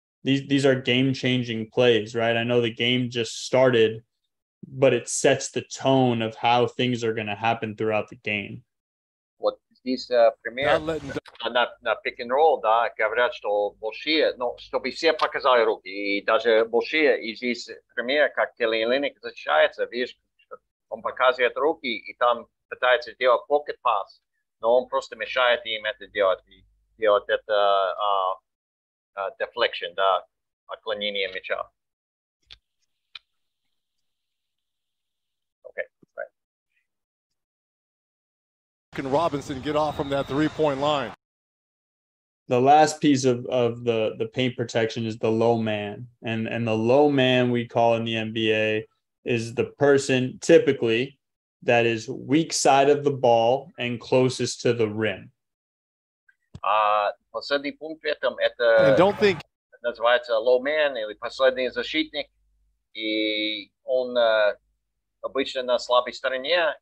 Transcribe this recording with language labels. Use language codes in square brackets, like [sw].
[en] These are game-changing plays, right? I know the game just started, but it sets the tone of how things are going to happen throughout the game. [ru] Здесь пример на pick and roll, да, говорят, что большие, ну, чтобы все показали руки, и даже большие, и здесь пример, как Келли Линник защищается, видишь, он показывает руки, и там пытается делать pocket pass, но он просто мешает им это делать, и делает это deflection, да, отклонение мяча. [en] Can Robinson get off from that three-point line? The last piece of the paint protection is the low man. And the low man we call in the NBA is the person typically that is weak side of the ball and closest to the rim. [ru] Последний пункт в этом это... [en] And don't think... That's why it's a low man, [ru] или последний защитник. И он обычно на слабой стороне.